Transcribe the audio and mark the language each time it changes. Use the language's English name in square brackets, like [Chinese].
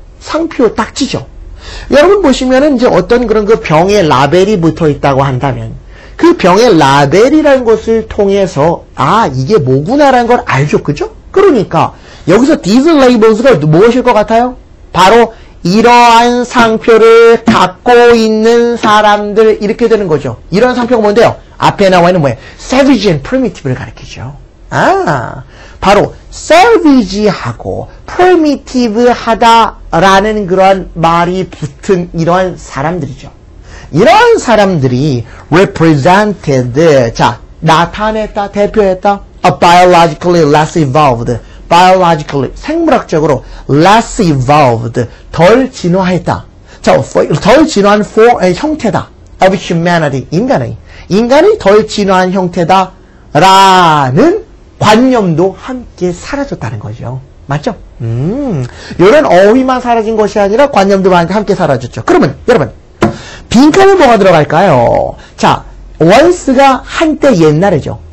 [Korean] 상표, 딱지죠. 여러분 보시면은 이제 어떤 그런 그 병에 라벨이 붙어 있다고 한다면 그 병의 라벨이라는 것을 통해서 아 이게 뭐구나라는 걸 알죠, 그죠? 그러니까 여기서 these labels가 무엇일 것 같아요? 바로 이러한 상표를 갖고 있는 사람들 이렇게 되는 거죠. 이러한 상표가 뭔데요? 앞에 나와 있는 뭐예요? savage and primitive를 가리키죠. 아, 바로 savage하고 primitive하다라는 그러한 말이 붙은 이러한 사람들이죠. 이러한 사람들이 [English] represented, [Korean] 자, 나타냈다, 대표했다. [English] A biologically less evolved, biologically, [Korean] 생물학적으로 [English] less evolved, [Korean] 덜 진화했다. 자, 덜 진화한 형태다. [English] Of humanity, [Korean] 인간의. 인간이 덜 진화한 형태다. 라는 관념도 함께 사라졌다는 거죠. 맞죠? 이런 어휘만 사라진 것이 아니라 관념도 함께 사라졌죠. 그러면, 여러분, 빈칸은 뭐가 들어갈까요? 자, once가 한때 옛날이죠.